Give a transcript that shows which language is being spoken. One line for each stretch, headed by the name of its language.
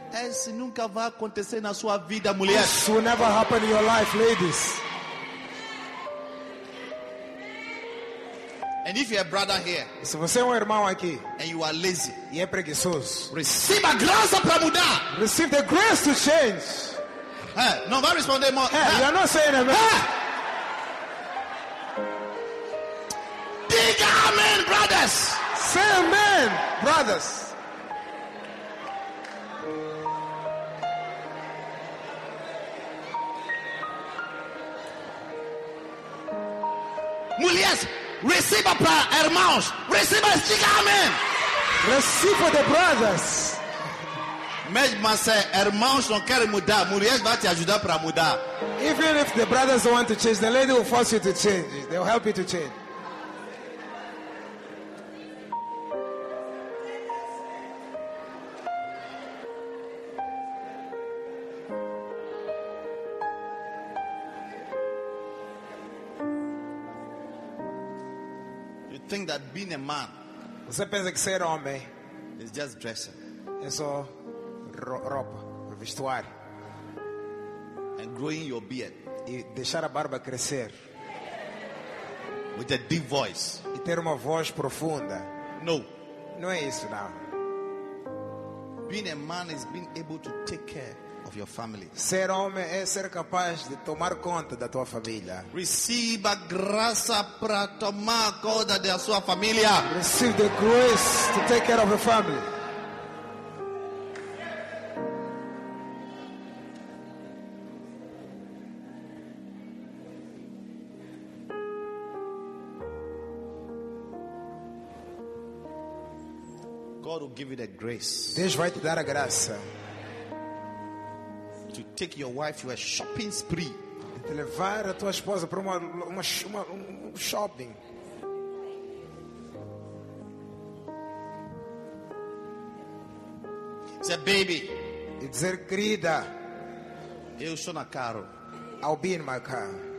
Portuguese: Isso nunca vai acontecer na sua vida, mulher.
English: This will never happen in your life, ladies. And if you have a brother here,
Portuguese: se você é irmão aqui,
English: and you are lazy,
Portuguese: e é preguiçoso, receive a graça para mudar.
English: Receive the grace to change.
Portuguese: Hey, não vai responder mais.
English: Hey, hey. You are not saying amen. Hey.
Portuguese: Diga amen, brothers.
English: Say amen, brothers.
Portuguese: Mulheres, receba para irmãos. Receba, diga amém. Receba para os brothers. Mesmo se irmãos não querem mudar, mulheres vão te ajudar para mudar.
English: Even if the brothers don't want to change, the lady will force you to change. They will help you to change. Think that being a man,
Portuguese: você pensa que ser homem,
English: is just dressing,
Portuguese: é só roupa, vestuário,
English: and growing your beard,
Portuguese: e deixar a barba crescer,
English: with a deep voice,
Portuguese: e ter uma voz profunda.
English: No,
Portuguese: não é isso não.
English: Being a man is being able to take care of your family.
Portuguese: Ser homem é ser capaz de tomar conta da tua família. Receive a graça para tomar conta da sua família.
English: Receive the grace to take care of your family. God will give you the grace.
Portuguese: Deus vai te dar a graça.
English: To take your wife to a shopping spree.
Portuguese: De levar a tua esposa para um shopping.
English: Say, baby.
Portuguese: E dizer, querida. Eu sou na carro.
English: I'll be in my car.